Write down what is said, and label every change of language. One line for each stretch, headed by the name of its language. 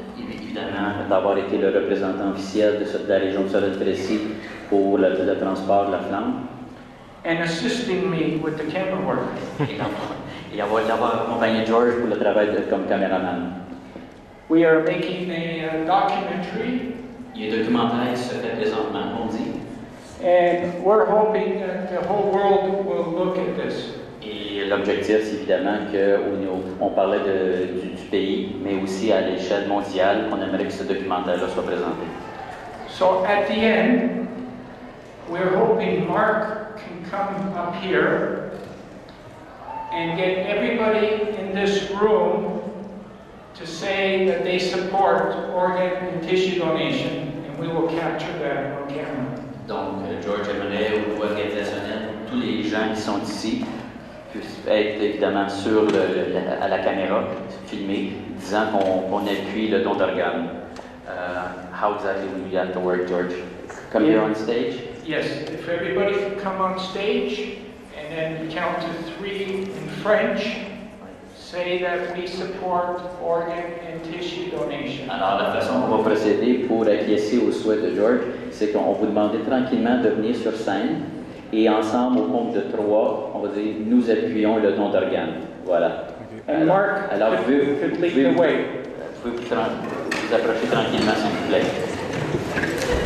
French: Évidemment, d'avoir été le représentant officiel de la région de Sorel Tracey pour le transport de la flamme.
English: And assisting me with the camera work.
French: Et avoir accompagné George pour le travail comme caméraman.
English: We are making a documentary.
French: Il y a un documentaire qui se fait présentement, on dit.
English: And we're hoping that the whole world will look at this.
French: Et l'objectif, c'est évidemment que on parlait du pays, mais aussi à l'échelle mondiale, qu'on aimerait que ce documentaire-là soit présenté.
English: So at the end, we're hoping Mark can come up here and get everybody in this room to say that they support organ and tissue donation, and we will capture that on camera.
French: Donc, George Emmanuel ou l'organisationnel, tous les gens qui sont ici puissent être évidemment sur à la caméra, filmés, disant qu'on appuie le don d'organes.
English: How exactly do we have to work, George? Come here on stage? Yes, if everybody can come on stage and then count to three in French, say that we support organ and tissue donation.
French: Alors, la façon dont on va procéder pour acquiescer au souhait de George, c'est qu'on va vous demander tranquillement de venir sur scène et ensemble, au compte de trois, on va dire « Nous appuyons le don d'organes ». Voilà. Okay. Alors, Mark, alors vous pouvez vous approcher tranquillement, s'il vous plaît.